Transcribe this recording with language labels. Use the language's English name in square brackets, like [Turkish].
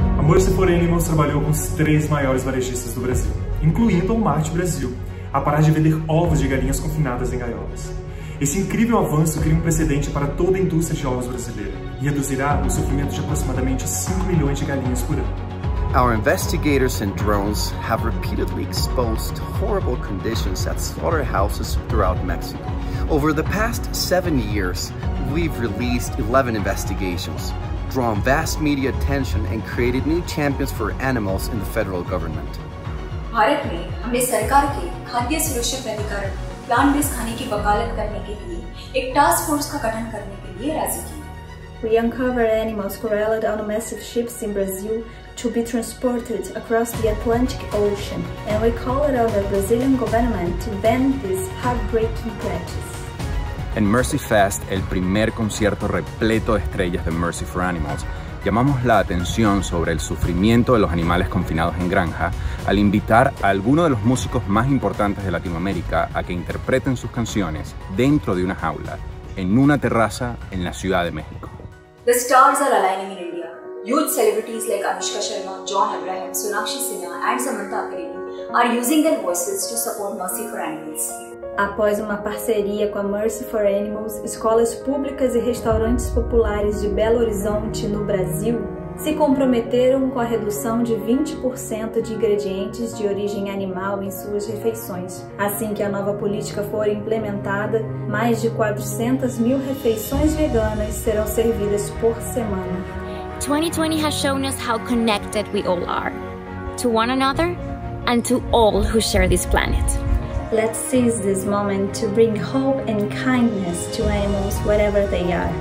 [Portuguese] Mercy for Animals trabalhou com os três maiores varejistas do Brasil, incluindo o Walmart Brasil, a parar de vender ovos de galinhas confinadas em gaiolas. Esse incrível avanço cria um precedente para toda a indústria de ovos brasileira e reduzirá o sofrimento de aproximadamente 5 milhões de galinhas por ano. [English] Our investigators and drones have repeatedly exposed horrible conditions at slaughterhouses throughout Mexico. Over the past 7 years, we've released 11 investigations, drawn vast media attention and created new champions for animals in the federal government. [Hindi] Bharat में हमने सरकार के खाद्य सुरक्षा प्राधिकरण plant-based खाने की वकालत करने के लिए एक टास्क फोर्स का गठन करने के लिए राजी किया. [English] We uncover animals corralled on massive ships in Brazil to be transported across the Atlantic Ocean, and we call it on the Brazilian government to ban this heartbreaking practice. [Spanish] En Mercy Fest, el primer concierto repleto de estrellas de Mercy for Animals, llamamos la atención sobre el sufrimiento de los animales confinados en granja al invitar a alguno de los músicos más importantes de Latinoamérica a que interpreten sus canciones dentro de una jaula, en una terraza en la Ciudad de México. [English] The stars are aligning in India. Huge celebrities like Anushka Sharma, John Abraham, Sonakshi Sinha and Samantha Agrini are using their voices to support Mercy for Animals. [Portuguese] Após uma parceria com a Mercy for Animals, escolas públicas e restaurantes populares de Belo Horizonte, no Brasil, se comprometeram com a redução de 20% de ingredientes de origem animal em suas refeições. Assim que a nova política for implementada, mais de 400 mil refeições veganas serão servidas por semana. [English] 2020 has shown us how connected we all are, to one another and to all who share this planet. Let's seize this moment to bring hope and kindness to animals, whatever they are.